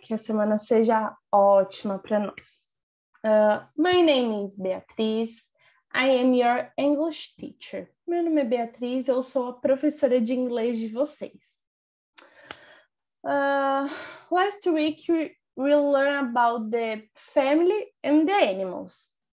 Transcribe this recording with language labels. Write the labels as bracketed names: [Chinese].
[Portuguese] Que a semana seja ótima para nós. [English] My name is Beatriz. I am your English teacher. [Portuguese] Meu nome é Beatriz, eu sou a professora de inglês de vocês. [English] Last week we learned about the family and the animals.